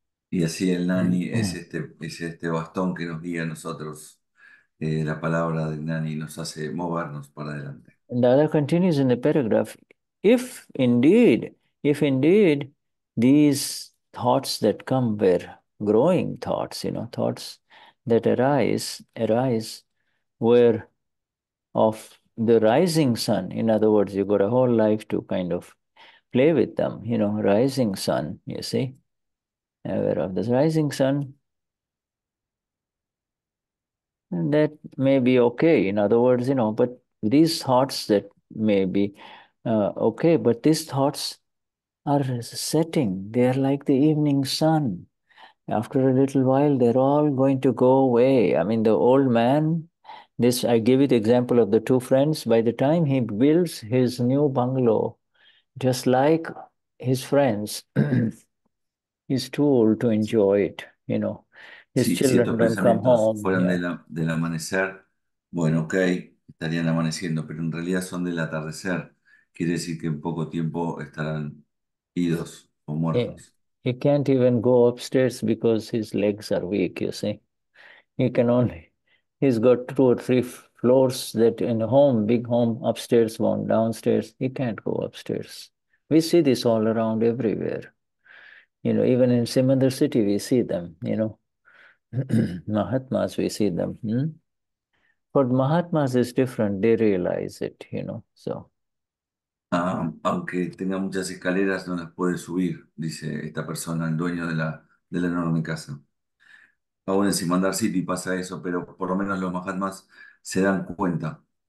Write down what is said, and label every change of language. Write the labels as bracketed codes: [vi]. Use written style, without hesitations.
[es] Y así el Nani es este bastón que nos guía a nosotros. La palabra del Nani nos hace movernos para adelante. [en] Dada continues in the paragraph, if indeed these thoughts that come were growing thoughts, thoughts that arise were of the rising sun. In other words, you've got a whole life to kind of play with them, rising sun, you see, aware of this rising sun, and that may be okay. In other words, but these thoughts that may be okay, but these thoughts are setting. They are like the evening sun. After a little while, they're all going to go away. I mean, the old man, this, I give you the example of the two friends. By the time he builds his new bungalow, just like his friends, he's too old to enjoy it, his [es] Si estos [en] children don't come [es] pensamientos [en] home. [es] fueran del amanecer, bueno, ok, estarían amaneciendo, pero en realidad son del atardecer. Quiere decir que en poco tiempo estarán idos o muertos. [en] He can't even go upstairs because his legs are weak, you see. He's got two or three floors that in a home, big home, upstairs, one downstairs. He can't go upstairs. We see this all around everywhere. Even in Simandar City, we see them, Mahatmas, we see them. But Mahatmas is different. They realize it, so. [es] Aunque tenga muchas escaleras, no las puede subir, dice esta persona, el dueño de la enorme casa. Aún en Simandar City pasa eso, pero por lo menos los Mahatmas se dan cuenta.